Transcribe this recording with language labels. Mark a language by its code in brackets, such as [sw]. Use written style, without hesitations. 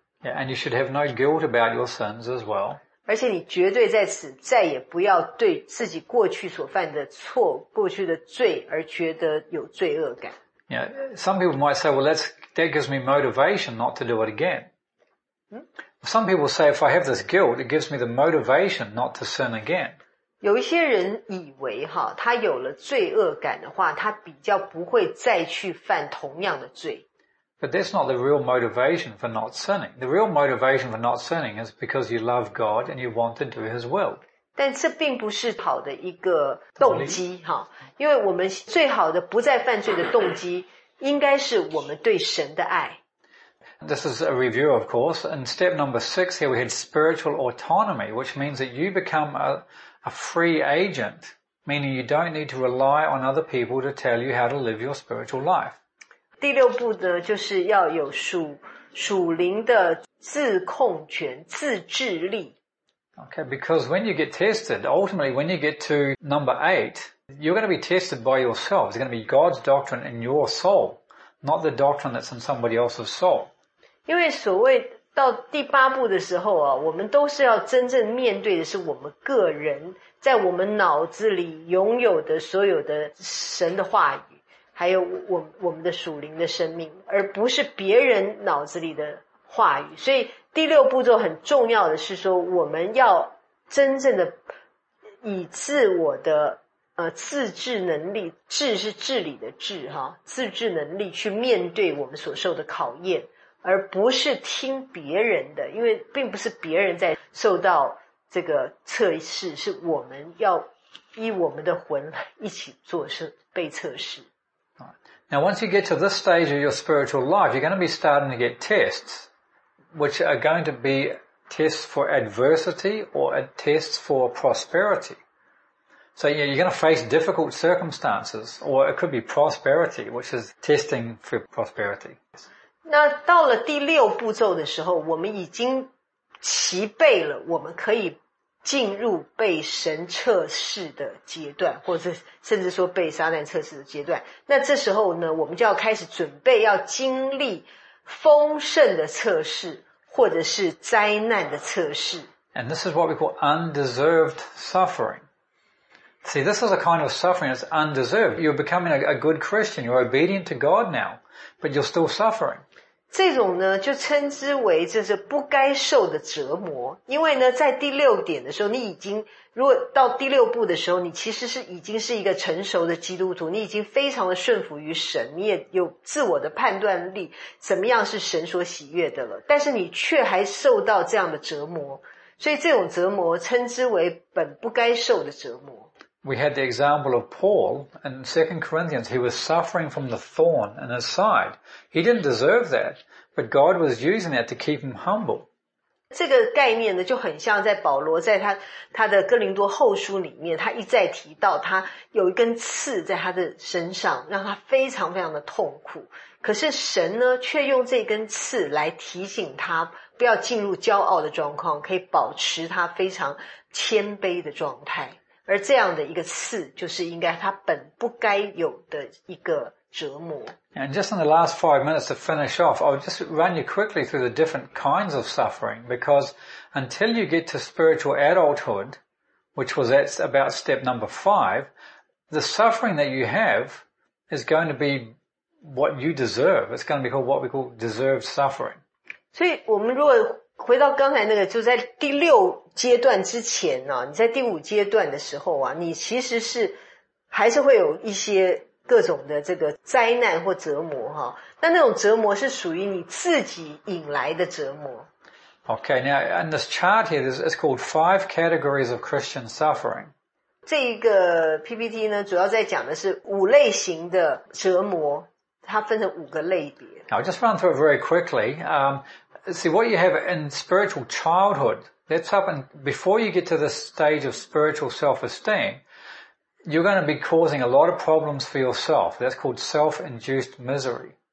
[en] Yeah, and you should have no guilt about your sins as well. [zh] 而且你绝对在此再也不要对自己过去所犯的错、过去的罪而觉得有罪恶感。 [en] Yeah, some people might say, well, that gives me motivation not to do it again. Some people say, if I have this guilt, it gives me the motivation not to sin again. [zh] 有一些人以为他有了罪恶感的话，他比较不会再去犯同样的罪。 [en] But that's not the real motivation for not sinning. The real motivation for not sinning is because you love God and you want to do His will. [zh] 但这并不是好的一个动机哈，因为我们最好的不再犯罪的动机，应该是我们对神的爱。 [en] This is a review, of course. In step number 6 here, we had spiritual autonomy, which means that you become a free agent, meaning you don't need to rely on other people to tell you how to live your spiritual life. [zh] 第六步呢，就是要有属灵的自控权、自制力。 [en] Okay, because when you get tested, ultimately when you get to number 8, you're going to be tested by yourself. It's going to be God's doctrine in your soul, not the doctrine that's in somebody else's soul. [zh] 因为所谓到第八步的时候啊，我们都是要真正面对的是我们个人在我们脑子里拥有的所有的神的话语。还有我们的属灵的生命，而不是别人脑子里的话语。所以第六步骤很重要的是说，我们要真正的以自我的自制能力，治是治理的治哈，自制能力去面对我们所受的考验，而不是听别人的，因为并不是别人在受到这个测试，是我们要依我们的魂一起做被测试。 [en] Now, once you get to this stage of your spiritual life, you're going to be starting to get tests, which are going to be tests for adversity or tests for prosperity. So, yeah, you're going to face difficult circumstances, or it could be prosperity, which is testing for prosperity. [zh] 那到了第六步骤的时候，我们已经齐备了，我们可以进入被神测试的阶段，或者甚至说被撒旦测试的阶段。那这时候呢，我们就要开始准备要经历丰盛的测试，或者是灾难的测试。 [en] And this is what we call undeserved suffering. See, this is a kind of suffering that's undeserved. You're becoming a good Christian. You're obedient to God now, but you're still suffering. [zh] 这种呢就称之为这是不该受的折磨，因为呢在第六点的时候，你已经如果到第六步的时候，你其实是已经是一个成熟的基督徒，你已经非常的顺服于神，你也有自我的判断力怎么样是神所喜悦的了，但是你却还受到这样的折磨，所以这种折磨称之为本不该受的折磨。 [en] We had the example of Paul in 2 Corinthians. He was suffering from the thorn in his side. He didn't deserve that, but God was using that to keep him humble. [zh] 这个概念呢，就很像在保罗在他的哥林多后书里面，他一再提到他有一根刺在他的身上，让他非常非常的痛苦。可是神呢，却用这根刺来提醒他不要进入骄傲的状况，可以保持他非常谦卑的状态。而这样的一个刺，就是应该他本不该有的一个折磨。 [en] And just in the last 5 minutes to finish off, I'll just run you quickly through the different kinds of suffering, because until you get to spiritual adulthood, which was about step number 5, the suffering that you have is going to be what you deserve. It's going to be called what we call deserved suffering. [zh] 所以我们如果回到刚才那个，就在第六阶段之前呢、啊，你在第五阶段的时候啊，你其实是还是会有一些各种的这个灾难或折磨哈、啊。但那种折磨是属于你自己引来的折磨。 [en] Okay, now in this chart here, it's called 5 categories of Christian suffering. [zh] 这一个 PPT 呢，主要在讲的是五类型的折磨，它分成五个类别。 [en] I'll just run through it very quickly. See, what you have in spiritual childhood, that's up and before you get to the stage of spiritual self-esteem, you're going to be causing a lot of problems for yourself. That's called self-induced misery.